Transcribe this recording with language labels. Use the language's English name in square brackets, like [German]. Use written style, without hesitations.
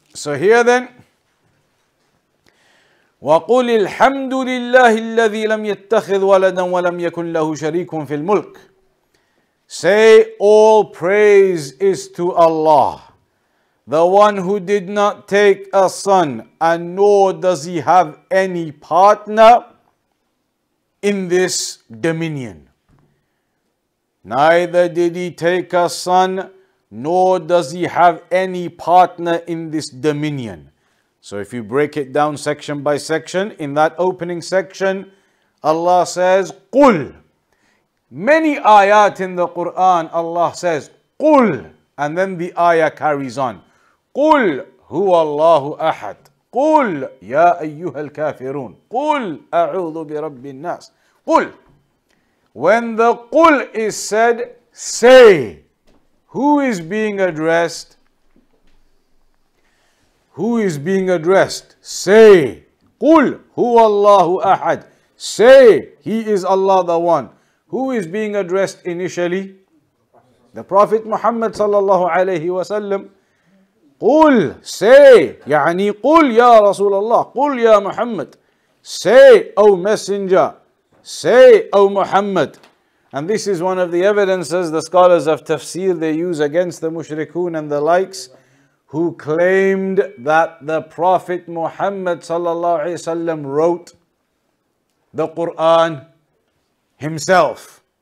[English] So here then, [Arabic] وَقُلِ الْحَمْدُ لِلَّهِ الَّذِي لَمْ يَتَّخِذْ وَلَدًا وَلَمْ يَكُنْ لَهُ شَرِيكٌ فِي الْمُلْكِ. [English] Say, all praise is to Allah, the one who did not take a son, and nor does he have any partner in this dominion. Neither did he take a son, nor does he have any partner in this dominion. So if you break it down section by section, in that opening section, Allah says, قُلْ. Many ayat in the Quran, Allah says, قُلْ, and then the ayah carries on. [Arabic] قُلْ هُوَ اللَّهُ أَحَدْ قُلْ يَا أَيُّهَا الْكَافِرُونَ قُلْ أَعُوذُ بِرَبِّ النَّاسِ قُلْ. [English] When the قُلْ is said, say, who is being addressed? Who is being addressed? [Arabic] Say, قُلْ هُوَ اللَّهُ أَحَدْ. [English] Say, he is Allah the One. Who is being addressed initially? The Prophet Muhammad sallallahu alayhi wa sallam. [Arabic] قُلْ, say, يعني قُلْ يَا رَسُولَ اللَّهِ قُلْ يَا مُحَمَّدْ. [English] Say, O Messenger. Say, O Muhammad. And this is one of the evidences the scholars of tafsir they use against the mushrikun and the likes, who claimed that the Prophet Muhammad sallallahu alayhi wa sallam wrote the Qur'an himself.